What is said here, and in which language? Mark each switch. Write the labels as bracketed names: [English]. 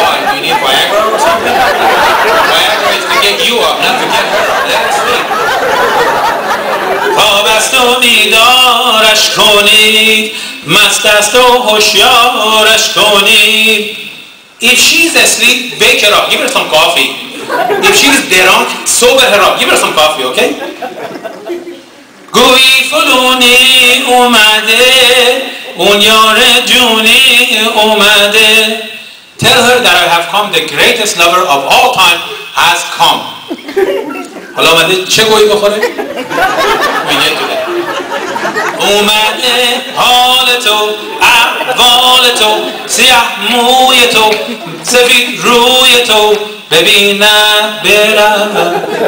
[English] Why, do you need Viagra or something? Viagra is to get you up, not to get her up. That's it. [Persian] است و بیدارش کنید، مست است و هوشیارش کنید. [English] If she's asleep, wake her up. Give her some coffee. If she's drunk, sober her up. Give her some coffee, okay? [Persian] گویی فلونی اومده، اون یار جونی اومده. [English] Tell her that I have come, the greatest lover of all time has come. [Persian] حالا اومده چه گویی بخوره؟ میگه تو ده اومده حال تو، احوال تو، سیاه موی تو، سفید روی تو ببینه برم.